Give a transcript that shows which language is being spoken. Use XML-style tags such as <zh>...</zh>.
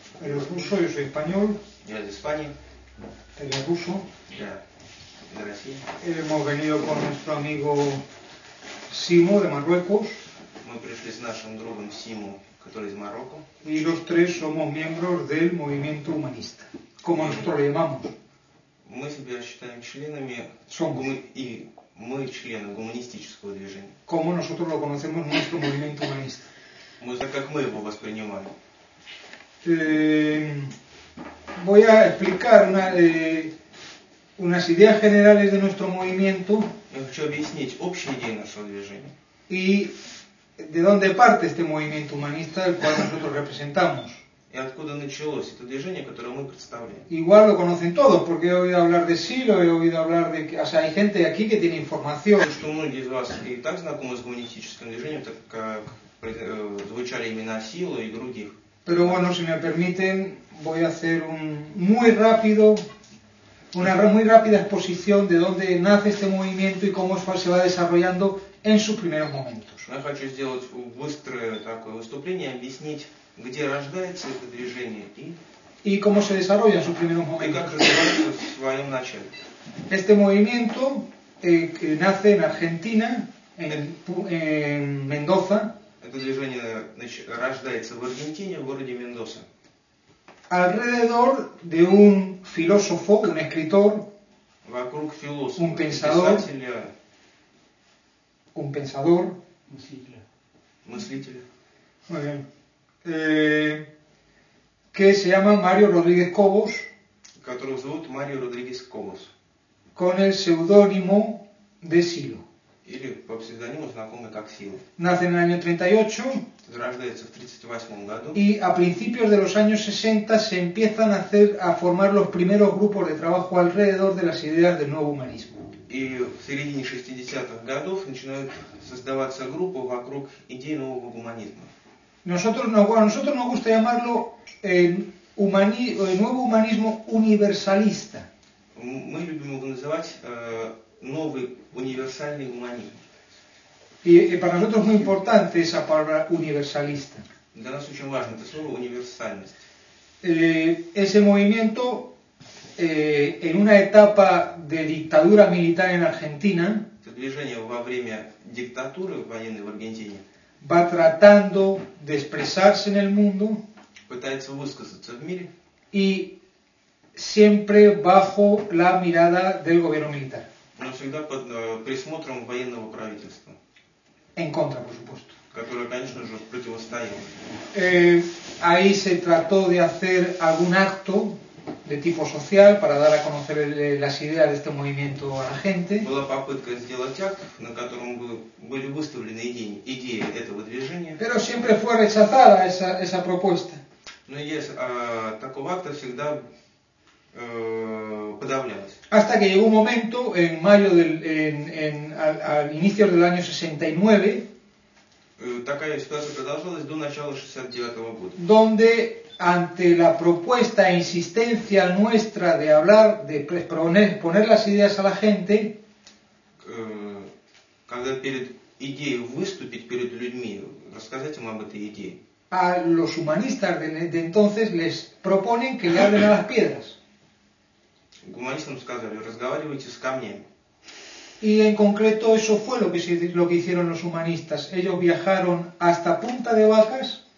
<es>Eres ruso, yo soy español. Yo de España. Eres ruso. Ya. De Brasil. Hemos venido con nuestro amigo Simo de Marruecos.</es> <ru>Мы пришли с нашим другом Симо, который из Марокко.</ru> <es>Y los tres somos miembros del movimiento humanista. Como nosotros lo llamamos.</es> <ru>Мы себя считаем членами.</ru> <es>Somos.</es> <ru>И мы члены гуманистического движения.</ru> <es>Como nosotros lo conocemos, nuestro movimiento humanista.</es> <ru>Как мы его воспринимаем.</ru> <es>Voy a explicar unas ideas generales de nuestro movimiento.</es> <ru>Я хочу объяснить общие идеи нашего движения.</ru> <es>И de dónde parte este movimiento humanista el cual nosotros representamos.</es> <ru>И откуда началось это движение, которое мы представляем.</ru> <es>Igual lo conocen todos, porque he oído hablar de Silo, he oído hablar de... O sea, hay gente aquí que tiene información.</es> <ru>Я думаю, многие из вас и так знакомы с гуманистическим движением, так как звучали имена Силы и других.</ru> <es>Pero bueno, si me permiten, voy a hacer una muy rápida exposición de dónde nace este movimiento y cómo se va desarrollando en sus primeros momentos.</es> <ru>Я хочу сделать быстрое такое выступление, объяснить, где рождается это движение</ru> <es>и cómo se desarrolla en sus primeros momentos.</es> <ru>И как развивается в своем начале.</ru> <es>Este movimiento nace en Argentina, en Mendoza.</es> <ru>Это движение рождается в Аргентине, в городе Мендоса.</ru> <es>Alrededor de un filósofo, un escritor,</es> <ru>вокруг философа,</ru> <es>un pensador,</es> <ru>писателя,</ru> <es>un pensador,</es> <ru>мыслителя.</ru> <es>Muy bien. Que se llama Mario Rodríguez Cobos.</es> <ru>Которого зовут Mario Rodríguez Cobos.</ru> <es>Con el seudónimo de Silo.</es> <ru>Или по псевдониму знакомый как Силы.</ru> <es>Nace en el año 38.</es> <ru>Рождается в 38 году.</ru> <es>И a principios de los años 60 se empiezan a formar los primeros grupos de trabajo alrededor de las ideas del nuevo humanismo.</es> <ru>И в середине 60-х годов начинают создаваться группы вокруг идей нового гуманизма.</ru> <es>Nosotros nos gusta llamarlo nuevo humanismo universalista.</es> <ru>Мы любим его называть новый универсальный гуманизм.</ru> <es>И para nosotros es muy importante esa palabra universalista.</es> <ru>Для нас очень важно это слово универсальность.</ru> <es>Ese movimiento, en una etapa de dictadura militar en Argentina,</es> <ru>это движение во время диктатуры военной в Аргентине,</ru> <es>va tratando de expresarse en el mundo,</es> <ru>пытается высказаться в мире,</ru> <es>y siempre bajo la mirada del gobierno militar.</es> <ru>Но всегда под присмотром военного правительства.</ru> <es>En contra, por supuesto.</es> <ru>Которое, конечно же, противостояло.</ru> <es>Ahí se trató de hacer algún acto de tipo social para dar a conocer las ideas de este movimiento a la gente.</es> <ru>Была попытка сделать акт, на котором были выставлены идеи этого движения.</ru> <es>Pero siempre fue rechazada esa propuesta.</es> <ru>Но идея такого акта всегда подавлялась.</ru> <es>Hasta que llegó un momento en mayo al inicio del año 69.</es> <ru>Такая ситуация продолжалась до начала 69-го года.</ru> <es>Donde ante la propuesta e insistencia nuestra de hablar, de poner las ideas a la gente,</es> <ru>когда перед идеей выступить перед людьми, рассказать им об этой идее.</ru> <es>A los humanistas de entonces les proponen que le hablen a las piedras.</es> <ru>Гуманистам сказали, разговаривайте с камнями.</ru> <es>Y en concreto eso fue lo que hicieron los humanistas. Ellos viajaron hasta Punta de Vacas.</es>